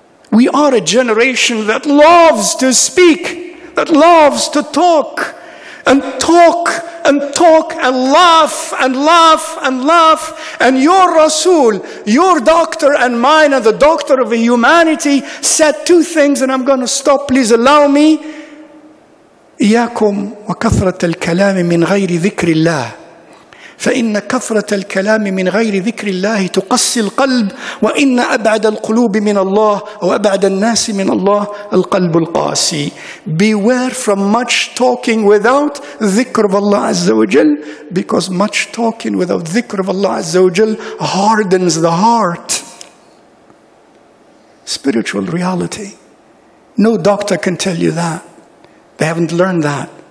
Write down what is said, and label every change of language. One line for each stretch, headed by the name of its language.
English: We are a generation that loves to speak, that loves to talk, and talk and talk and laugh and laugh and laugh. And your Rasul, your doctor and mine, and the doctor of humanity, said two things, and I'm going to stop. Please allow me.
Arabic: إياكم وكثرة الكلام من غير ذكر الله فإن كثرة الكلام من غير ذكر الله تقسي القلب وإن أبعد القلوب من الله وأبعد الناس من الله القلب القاسي.
English: Beware from much talking without ذكر of Allah عز وجل, because much talking without ذكر of Allah عز وجل hardens the heart. Spiritual reality. No doctor can tell you that. They haven't learned that.